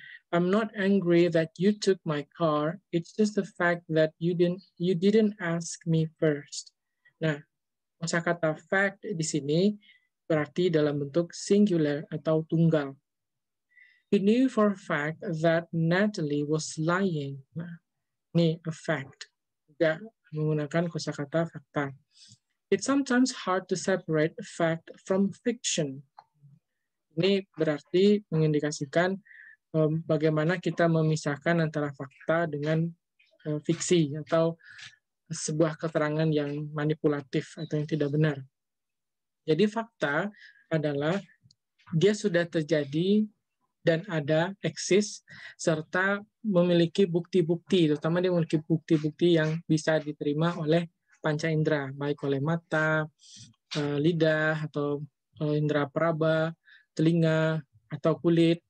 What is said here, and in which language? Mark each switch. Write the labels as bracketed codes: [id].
[en] I'm not angry that you took my car. It's just the fact that you didn't ask me first. [id] Nah, kosakata fact di sini berarti dalam bentuk singular atau tunggal. [en] He knew for a fact that Natalie was lying. [id] Nah, ini a fact. Tidak menggunakan kosakata fakta. [en] It's sometimes hard to separate fact from fiction. [id] Ini berarti mengindikasikan bagaimana kita memisahkan antara fakta dengan fiksi atau sebuah keterangan yang manipulatif atau yang tidak benar. Jadi fakta adalah dia sudah terjadi dan ada, eksis, serta memiliki bukti-bukti, terutama dia memiliki bukti-bukti yang bisa diterima oleh panca indera, baik oleh mata, lidah, atau indera peraba, telinga, atau kulit.